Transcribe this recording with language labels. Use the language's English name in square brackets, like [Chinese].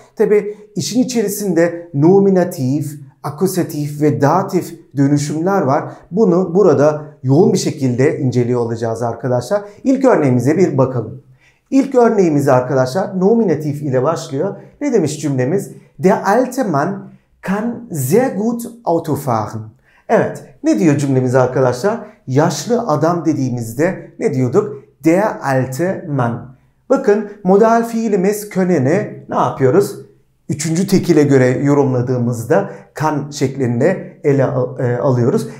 [Turkish] Tabii işin içerisinde nominatif, akusatif ve datif dönüşümler var. Bunu burada yoğun bir şekilde inceliyor olacağız arkadaşlar. İlk örneğimize bir bakalım. İlk örneğimiz arkadaşlar nominatif ile başlıyor. Ne demiş cümlemiz? [German] Der alte Mann kann sehr gut Auto fahren. [Turkish] Evet, ne diyor cümlemiz arkadaşlar? Yaşlı adam dediğimizde ne diyorduk? [German] Der alte Mann. [Turkish] Bakın, modal fiilimiz können'i ne yapıyoruz? Üçüncü tekile göre yorumladığımızda kan şeklinde ele alıyoruz.